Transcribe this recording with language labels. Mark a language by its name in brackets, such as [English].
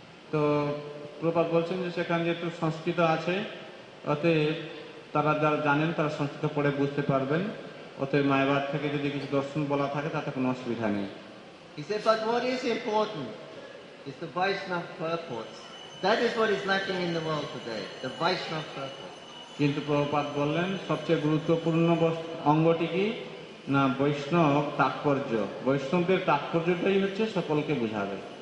[Bangla] So, Prabhupada বলছেন যে সেখানে যেহেতু সংস্কৃত আছে, অতএব তারা যারা জানেন তারা সংস্কৃত পড়ে বুঝতে পারবেন, অতএব মায়াবাদ থেকে যদি কিছু দর্শন বলা থাকে তাতে কোনো অসুবিধা নেই। [English] He said, but what is important is the Vaishnava purports. That is what is lacking in the world today, the Vaishnava purports. [Bangla] কিন্তু প্রভুপাদ বললেন সবচেয়ে গুরুত্বপূর্ণ অঙ্গটি কি না বৈষ্ণব তাৎপর্য, বৈষ্ণবদের তাৎপর্যটাই হচ্ছে সকলকে বুঝাবে।